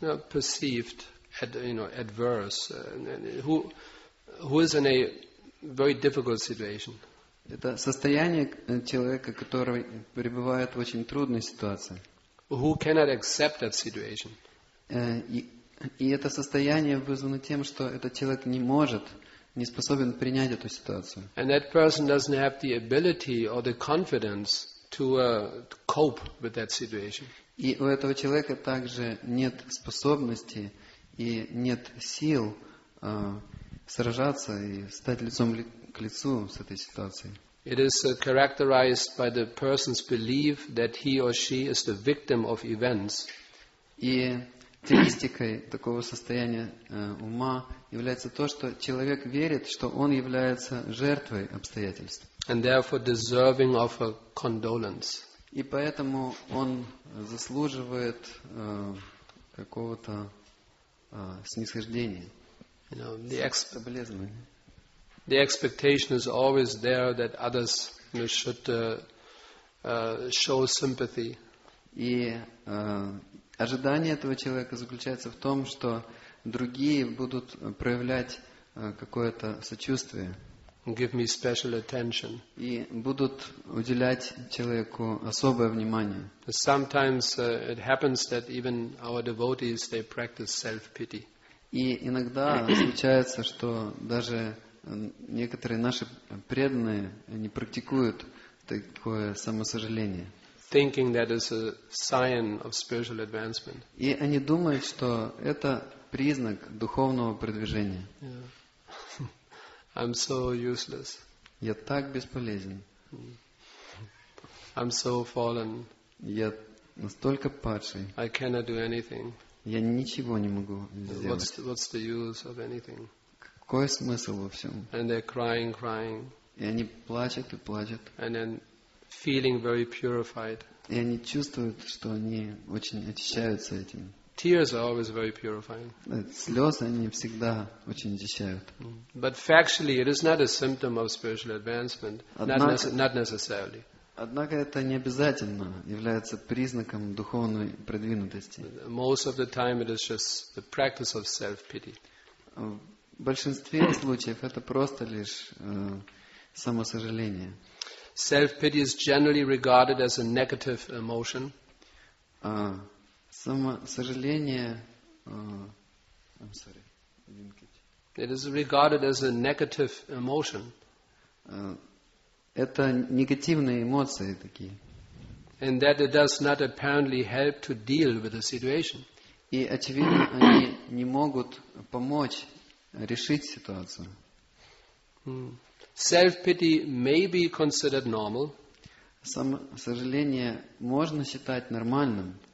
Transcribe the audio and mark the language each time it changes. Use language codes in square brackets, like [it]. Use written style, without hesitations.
[en] Perceived, you know, adverse. Who is in a very difficult situation? [ru] Это состояние человека, который пребывает в очень трудной ситуации. [en] Who cannot accept that situation? [ru] И это состояние вызвано тем, что этот человек не может, не способен принять эту ситуацию. [en] And that person doesn't have the ability or the confidence to cope with that situation. [ru] И у этого человека также нет способности и нет сил сражаться и стать лицом к лицу с этой ситуацией. [en] It is characterized by the person's belief that he or she is the victim of events. [ru] И характеристикой такого состояния ума является то, что человек верит, что он является жертвой обстоятельств. [en] And therefore deserving of a condolence. [ru] И поэтому он заслуживает какого-то снисхождения. [en] You know, the expectation is always there that others, you know, should show sympathy. [ru] И ожидание этого человека заключается в том, что другие будут проявлять какое-то сочувствие. [en] Give me special attention. [ru] И будут уделять человеку особое внимание. [en] Sometimes it happens that even our devotees they practice self-pity. [ru] И иногда случается, что даже некоторые наши преданные не практикуют такое самосожаление. [en] Thinking that is a sign of spiritual advancement. [ru] И они думают, что это признак духовного продвижения. [en] Yeah. I'm so useless. [ru] Я так бесполезен. [en] I'm so fallen. [ru] Я настолько падший. [en] I cannot do anything. [ru] Я ничего не могу сделать. [en] What's the use of anything? [ru] Какой смысл во всем? [en] And they're crying, crying. [ru] И они плачут и плачут. [en] And then feeling very purified. [ru] И они чувствуют, что они очень очищаются этим. [en] Tears are always very purifying. [ru] Слезы они всегда очень очищают. [en] But factually, it is not a symptom of spiritual advancement. Not necessarily. [ru] Однако это не обязательно является признаком духовной продвинутости. [en] Most of the time it is just the practice of self-pity. [ru] В большинстве случаев это просто лишь самосожаление. [en] Self-pity is generally regarded as a negative emotion. [ru] Самосожаление, [en] I'm sorry, I didn't catch. It is regarded as a negative emotion. [ru] Это негативные эмоции такие. [en] And that it does not apparently help to deal with the situation. [ru] И очевидно, они не могут помочь решить ситуацию. [en] Self-pity may be considered normal. [ru] Самосожаление можно считать нормальным.